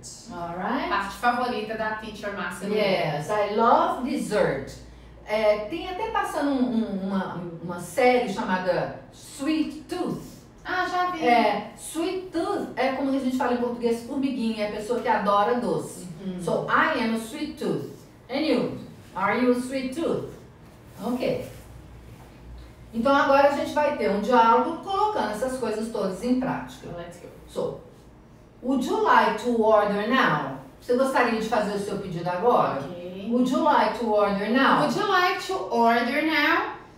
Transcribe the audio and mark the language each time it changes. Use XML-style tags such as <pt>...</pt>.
<en>All right.</en> <pt>Parte favorita da teacher Márcia.</pt> <en>Yes, I love dessert.</en> <pt>É, tem até passando uma série chamada Sweet Tooth. Ah, já vi. É, Sweet Tooth é como a gente fala em português, formiguinha, é a pessoa que adora doce. Uhum.</pt> <en>So, I am a Sweet Tooth. And you? Are you a Sweet Tooth? Ok.</en> <pt>Então agora a gente vai ter um diálogo colocando essas coisas todas em prática.</pt> <en>Let's go. So, would you like to order now?</en> <pt>Você gostaria de fazer o seu pedido agora?</pt> <en>Okay. Would you like to order now? Would you like to order now?</en>